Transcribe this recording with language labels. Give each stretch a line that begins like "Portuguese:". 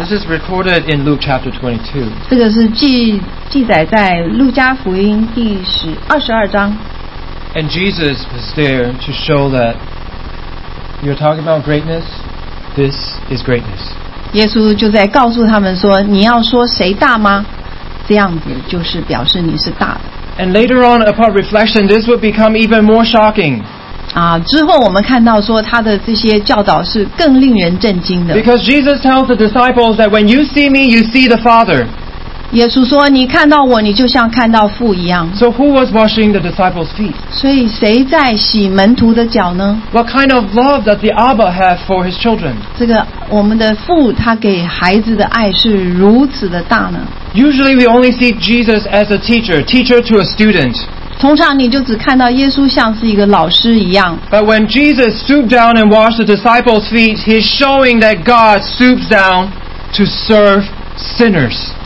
English: This is recorded in Luke chapter 22
Chinese: 这个是记载在路加福音第22章
English: And Jesus was there to show that you're talking about greatness this is greatness
Chinese: 耶稣就在告诉他们说你要说谁大吗这样子就是表示你是大的
English: And later on upon reflection this would become even more shocking
Chinese: 之后我们看到说他的这些教导是更令人震惊的
English: Because Jesus tells the disciples that when you see me you see the Father
Chinese: 耶稣说, 你看到我, 你就像看到父一样。
English: So who was washing the disciples' feet?
Chinese: 所以谁在洗门徒的脚呢?
English: What kind of love does the Abba have for his children?
Chinese: 这个我们的父他给孩子的爱是如此的大呢?
English: Usually we only see Jesus as a teacher, teacher to a student.
Chinese: 通常你就只看到耶稣像是一个老师一样。
English: But when Jesus stooped down and washed the disciples' feet, he's showing that God stoops down to serve sinners.